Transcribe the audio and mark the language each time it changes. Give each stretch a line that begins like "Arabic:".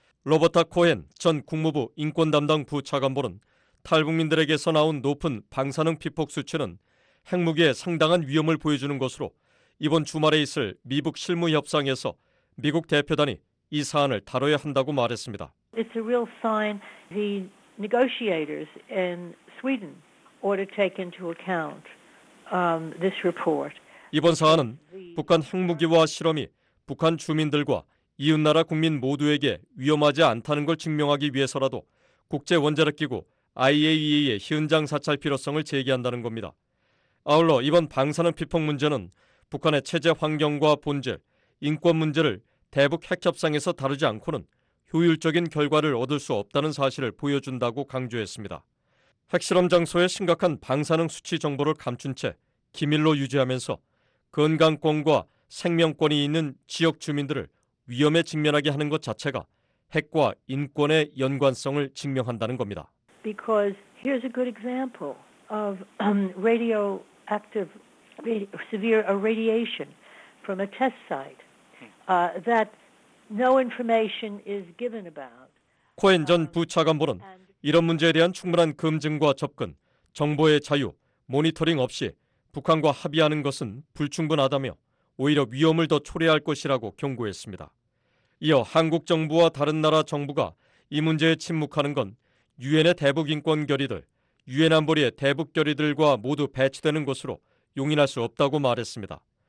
Korean: 로버타 코헨 전 국무부 인권 담당 부차관보는 탈북민들에게서 나온 높은 방사능 피폭 수치는 핵무기에 상당한 위험을 보여주는 것으로 이번 주말에 있을 미북 실무 협상에서 미국 대표단이 이 사안을 다뤄야 한다고 말했습니다.
English: It's a real sign the negotiators in Sweden ought to take into account this report.
Korean: 이번 사안은 북한 핵무기와 실험이 북한 주민들과 이웃나라 국민 모두에게 위험하지 않다는 걸 증명하기 위해서라도 국제원자력기구 IAEA의 현장 사찰 필요성을 제기한다는 겁니다. 아울러 이번 방사능 피폭 문제는 북한의 체제 환경과 본질, 인권 문제를 대북 핵협상에서 다루지 않고는 효율적인 결과를 얻을 수 없다는 사실을 보여준다고 강조했습니다. 핵실험 장소의 심각한 방사능 수치 정보를 감춘 채 기밀로 유지하면서 건강권과 생명권이 있는 지역 주민들을 위험에 직면하게 하는 것 자체가 핵과 인권의 연관성을 증명한다는 겁니다.
English: Because here's a good example of radioactive, severe irradiation from a test site that no information is given about.
Korean: 코엔 전 부차관보는 이런 문제에 대한 충분한 검증과 접근, 정보의 자유, 모니터링 없이 북한과 합의하는 것은 불충분하다며 오히려 위험을 더 초래할 것이라고 경고했습니다. 이어 한국 정부와 다른 나라 정부가 이 문제에 침묵하는 건 유엔의 대북인권결의들, 유엔 안보리의 대북결의들과 모두 배치되는 것으로 용인할 수 없다고 말했습니다.